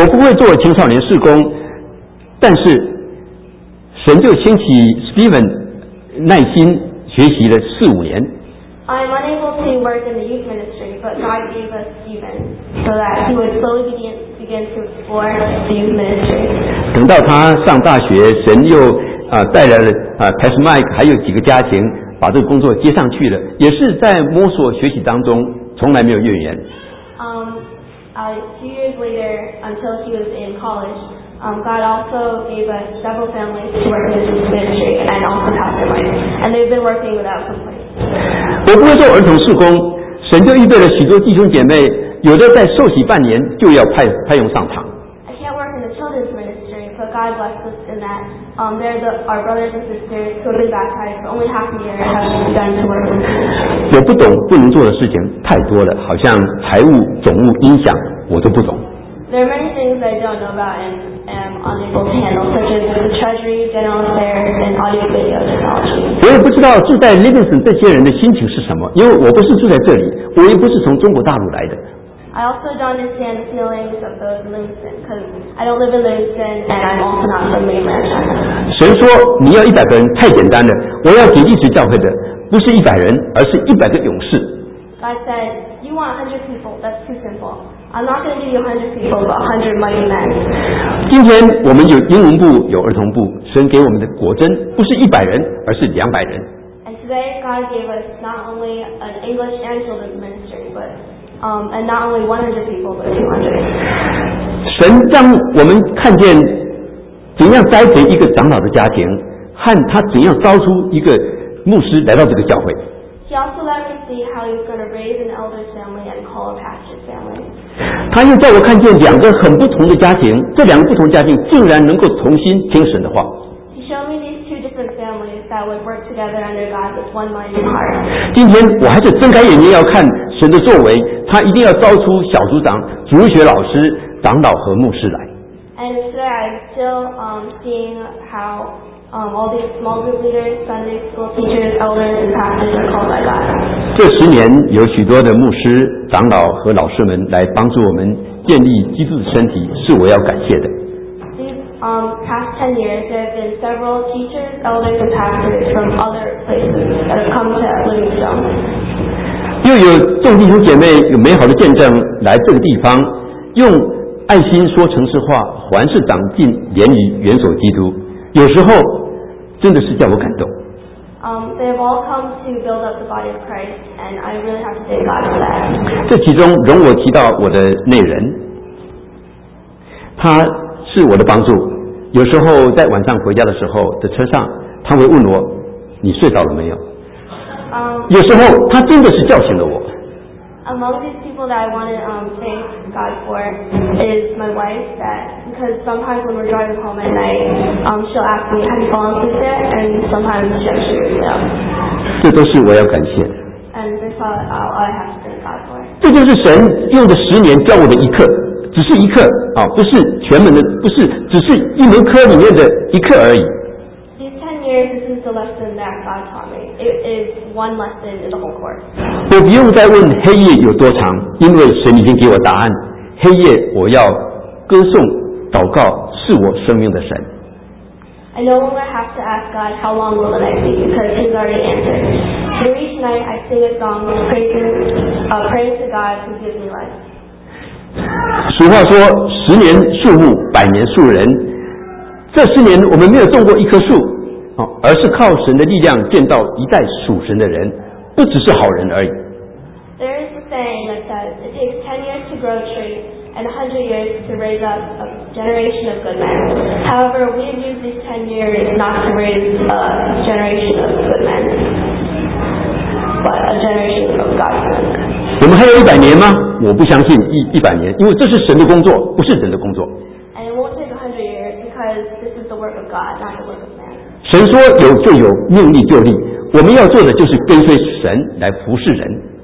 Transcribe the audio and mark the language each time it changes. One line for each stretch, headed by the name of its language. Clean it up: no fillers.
Chinese: 我不会做青少年事工，但是神就兴起 Steven 耐心学习了4-5年。
English: I'm unable to work in the youth ministry, but God gave us Stephen so that he would slowly begin to explore the youth ministry.
Chinese: 等到他上大学，神又带来了Pastor Mike 还有几个家庭，把这个工作接上去了，也是在摸索学习当中，从来没有怨言。
English: A few years later, until he was in college, God also gave us several families to work in the youth ministry and also Pastor Mike, and they've been working without complaint.
Chinese: 我不会做儿童事工，神就预备了许多弟兄姐妹，有的在受洗半年就要派用上堂。
English: I can't work in the children's ministry, but God blessed us in that. our brothers and sisters who have been baptized only half a year have done to work with us.
Chinese: 我不懂不能做的事情太多了，好像财务、总务、音响，我都不懂。
English: There are many things I don't know about and am unable to handle, such as the treasury, general affairs, and audio video technology.
Chinese: 我也不知道住在 Livingston 这些人的心情是什么，因为我不是住在这里，我也不是从中国大陆来的。
English: I also don't understand the feelings of those in Livingston because I don't live in Livingston and I'm also not from mainland China.
Chinese: 谁说你要一百个人太简单了？我要给历史教会的不是一百人，而是一百个勇士。
English: God said, "You want 100 people? That's too simple." I'm not going to give you 100 people, but 100 mighty men.
Chinese: 今天我们有英文部，有儿童部，神给我们的果真不是一百人，而是两百人。
English: And today God gave us not only an English and children's ministry, but and not only 100 people, but 200.
Chinese: 神让我们看见怎样栽培一个长老的家庭，和他怎样招出一个牧师来到这个教会。
English: He also let me see how he's going to raise an elder family and call a pastor's family.
Chinese: 他又叫我看见两个很不同的家庭，这两个不同家庭竟然能够同心听神的话。
English: He showed me these two different families that would work together under God with one mind and heart.
Chinese: 今天我还是睁开眼睛要看神的作为，他一定要招出小组长、主日学老师、长老和牧师来。
English: And today I'm still seeing how. All these small group leaders, Sunday school teachers, elders, and pastors are called by God.
Chinese: 这十年有许多的牧师、长老和老师们来帮助我们建立基督的身体，是我要感谢的。
English: These past 10 years, there have been several teachers, elders, and pastors from other places that have come to Livingston.
Chinese: 又有众弟兄姐妹有美好的见证来这个地方，用爱心说诚实话，还是长进，连于元首基督。有时候真的是叫我感动。
English: They have all come to build up the body of Christ, and I really have to thank God for that.
Chinese: 这其中容我提到我的内人，他是我的帮助。有时候在晚上回家的时候的车上，他会问我：“你睡着了没有？” 有时候他真的是叫醒了我。
English: Among these people that I want to thank God for is my wife. That because sometimes when we're driving home at night, she'll ask me, "Have you fallen asleep yet?" And sometimes she actually will.
Chinese: 这都是我要感谢。
English: And this is all I have to thank God for.
Chinese: 这就是神用的十年教我的一课，只是一课啊，不是全门的，不是只是一门科里面的一课而已。
English: These 10 years, this is the lesson that God taught me. It is. One lesson in the whole course.
Chinese: 我不用再问黑夜有多长，因为神已经给我答案。黑夜我要歌颂、祷告，是我生命的神。
English: I no longer have to ask God how long will the night be, because He's already answered. For each night, I sing a song praying to God who gives me life.
Chinese: 俗话说，十年树木，百年树人。这十年我们没有种过一棵树。而是靠神的力量见到一代属神的人，不只是好人而已。
English: There is a saying that says it takes 10 years to grow a tree and 100 years to raise up a generation of good men. However, we have used these 10 years not to raise a generation of good men, but a generation of God's men.
Chinese: 我们还有一百年吗？我不相信一百年，因为这是神的工作，不是人的工作。
English: And it won't take 100 years because this is the work of God, not the work of man.
Chinese: 神说有就有，命立就立。我们要做的就是跟随神来服侍人。